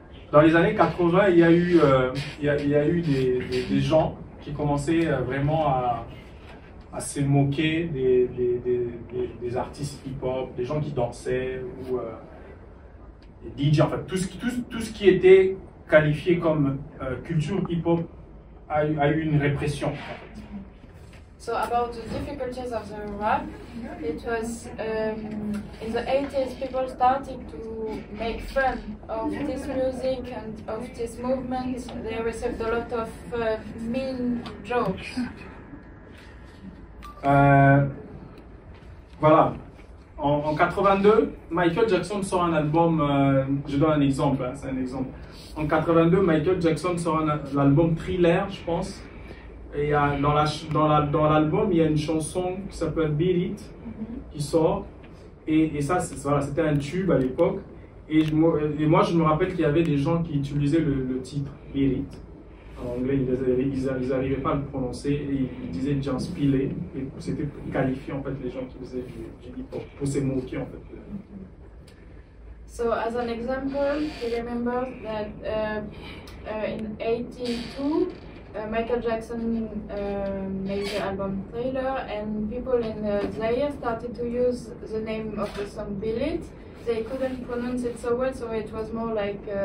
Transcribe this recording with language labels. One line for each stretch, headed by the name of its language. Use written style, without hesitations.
French: Dans les années 80, il y a eu des gens qui commençaient vraiment à se moquer des artistes hip-hop, des gens qui dansaient, ou des DJ, en fait, tout ce qui était qualifié comme culture hip-hop a eu une répression. En fait.
English: So about the difficulties of the rap, it was in the 80s people started to make fun of this music and of this movement. They received a lot of mean jokes.
French: Voilà. En 82, Michael Jackson sort un album. Je donne un exemple. Hein, c'est un exemple. En 82, Michael Jackson sort l'album Thriller, je pense. Et dans l'album, il y a une chanson qui s'appelle Beat It qui sort. Et ça, c'était un tube à l'époque. Et moi, je me rappelle qu'il y avait des gens qui utilisaient le titre Beat It. En anglais, ils n'arrivaient pas à le prononcer. Et ils disaient James Pillay. Et c'était pour qualifier en fait, les gens qui faisaient du hip-hop, pour se moquer en fait.
English: So as an example, you remember that in 82, Michael Jackson made the album Thriller, and people in Zaire started to use the name of the song Bill It. They couldn't pronounce it so well, so it was more like